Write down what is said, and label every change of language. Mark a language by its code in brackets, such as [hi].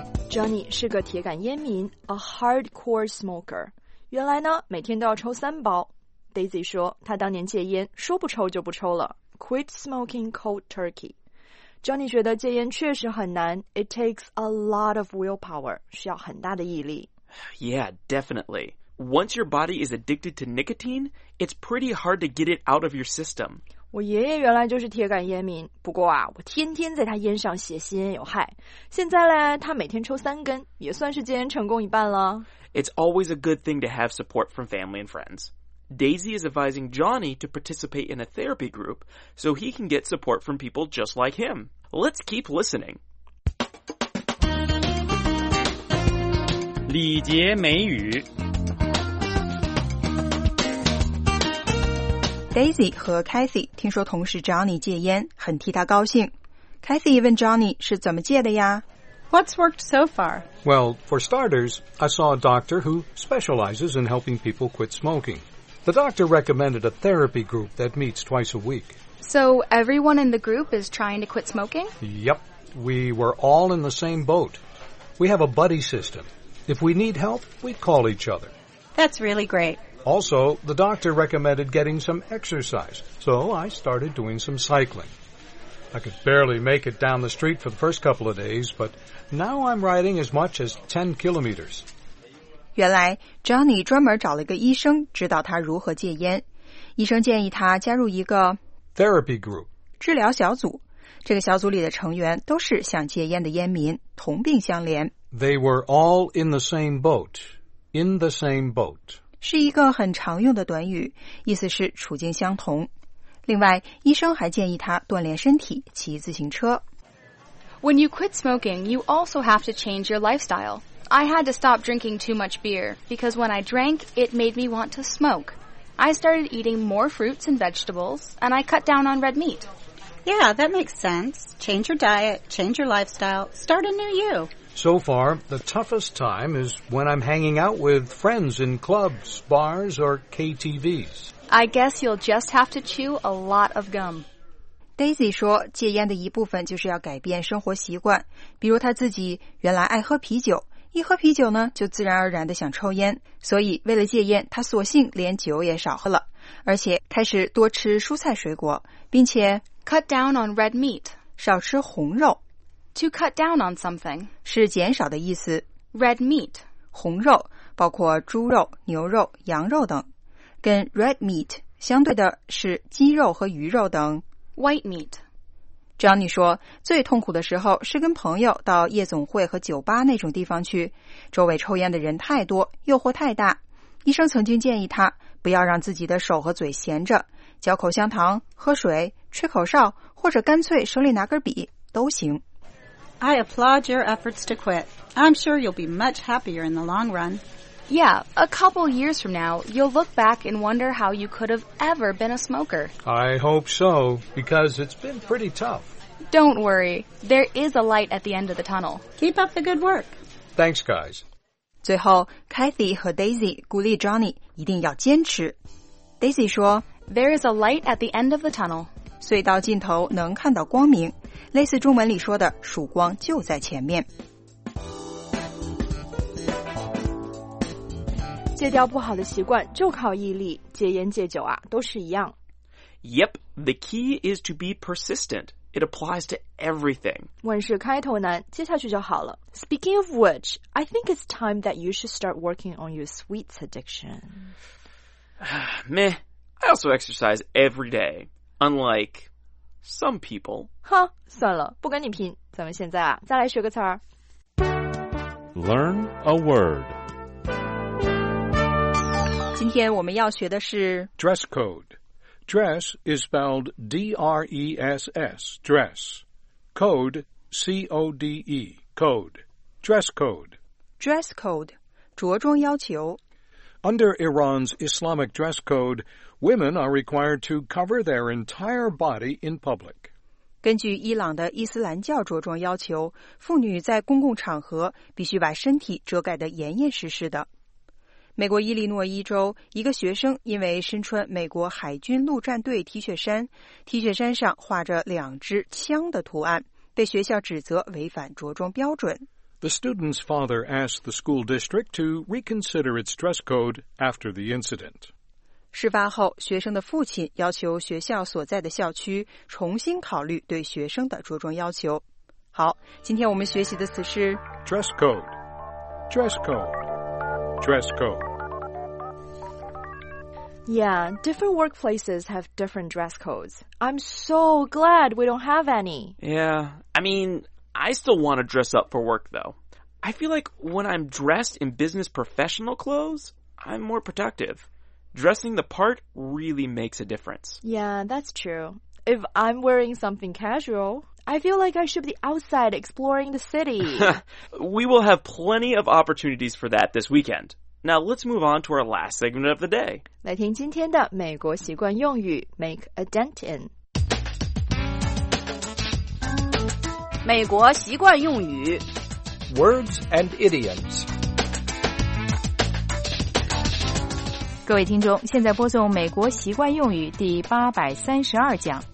[zh] Johnny 是个铁杆烟民 ， [en] a hardcore smoker。 [zh] 原来呢，每天都要抽三包。Daisy 说，他当年戒烟，说不抽就不抽了 ， [en] quit smoking cold turkey。 [zh] Johnny 觉得戒烟确实很难 ， [en] It takes a lot of willpower， [zh] 需要很大的毅力。 [en] Yeah, definitely. Once your body is addicted to nicotine, it's pretty hard to get it out of your system. [zh] 我爷爷原来就是铁杆烟民，不过啊，我天天在他烟上写吸烟有害。现在呢，他每天抽三根，也算是戒烟成功一半了。 [en] It's always a good thing to have support from family and friends. Daisy is advising Johnny to participate in a therapy group so he can get support from people just like him. Let's keep listening. [zh] 礼节美语 Daisy 和 Kathy 听说同事 Johnny 戒烟，很替他高兴。 Kathy 问 Johnny 是怎么戒的呀？ [en] What's worked so far? Well, for starters, I saw a doctor who specializes in helping people quit smoking. The doctor recommended a therapy group that meets twice a week. So everyone in the group is trying to quit smoking? Yep. We were all in the same boat. We have a buddy system. If we need help, we call each other. That's really great. Also, the doctor recommended getting some exercise, so I started doing some cycling. I could barely make it down the street for the first couple of days, but now I'm riding as much as 10 kilometers. [zh] 原来 Johnny 专门找了一个医生指导他如何戒烟。医生建议他加入一个 [en] therapy group [zh] 治疗小组。这个小组里的成员都是想戒烟的烟民，同病相怜。 [en] They were all in the same boat. In the same boat [zh] 是一个很常用的短语，意思是处境相同。另外，医生还建议他锻炼身体，骑自行车。 [en] When you quit smoking, you also have to change your lifestyle. I had to stop drinking too much beer, because when I drank, it made me want to smoke. I started eating more fruits and vegetables, and I cut down on red meat. Yeah, that makes sense. Change your diet, change your lifestyle, start a new you. So far, the toughest time is when I'm hanging out with friends in clubs, bars, or KTVs. I guess you'll just have to chew a lot of gum. [zh] Daisy 说戒烟的一部分就是要改变生活习惯，比如她自己原来爱喝啤酒，一喝啤酒呢就自然而然地想抽烟，所以为了戒烟，她索性连酒也少喝了，而且开始多吃蔬菜水果，并且 [en] cut down on red meat [zh] 少吃红肉。 [en] To cut down on something [zh] 是减少的意思。 Red meat 红肉包括猪肉、牛肉、羊肉等，跟 red meat 相对的是鸡肉和鱼肉等 [en] White meat. [zh] Johnny 说最痛苦的时候是跟朋友到夜总会和酒吧那种地方去，周围抽烟的人太多，诱惑太大。医生曾经建议他不要让自己的手和嘴闲着，嚼口香糖，喝水，吹口哨，或者干脆手里拿根笔都行。 [en] I applaud your efforts to quit. I'm sure you'll be much happier in the long run. Yeah, a couple years from now, you'll look back and wonder how you could have ever been a smoker. I hope so, because it's been pretty tough. Don't worry, there is a light at the end of the tunnel. Keep up the good work. Thanks, guys. [zh] 最后 ,Kathy 和 Daisy 鼓励 Johnny 一定要坚持。 Daisy 说 [en] ,There is a light at the end of the tunnel. [zh] 隧道尽头能看到光明。类似中文里说的曙光就在前面。戒掉不好的习惯就靠毅力，戒烟戒酒啊都是一样。 [en] Yep, the key is to be persistent. It applies to everything. [zh] 万事开头难，接下去就好了。 [en] Speaking of which, I think it's time that you should start working on your sweets addiction. Meh, I also exercise every day, unlike some people. [zh] 哈，算了，不跟你拼，咱们现在啊，再来学个词儿。 [en] Learn a word. [zh] 今天我们要学的是 [en] dress code. Dress is spelled D-R-E-S-S, dress. Code, C-O-D-E, code. Dress code. Dress code, [zh] 着装要求。 [en] Under Iran's Islamic dress code, women are required to cover their entire body in public. [zh] 根据伊朗的伊斯兰教着装要求，妇女在公共场合必须把身体遮盖得严严实实的。美国伊利诺伊州一个学生因为身穿美国海军陆战队 T 恤衫 ,T 恤衫上画着两只枪的图案被学校指责违反着装标准。 [en] The student's father asked the school district to reconsider its dress code after the incident. [zh] 事发后学生的父亲要求学校所在的校区重新考虑对学生的着装要求。好今天我们学习的词是 [en] dress code, dress code. Dress code. Yeah, different workplaces have different dress codes. I'm so glad we don't have any. Yeah, I mean, I still want to dress up for work, though. I feel like when I'm dressed in business professional clothes, I'm more productive. Dressing the part really makes a difference. Yeah, that's true. If I'm wearing something casual... I feel like I should be outside exploring the city. We will have plenty of opportunities for that this weekend. Now let's move on to our last segment of the day. [zh] 来听今天的美国习惯用语 make a dent in. 美国习惯用语 [en] words and idioms. [zh] 各位听众，现在播送美国习惯用语第832讲。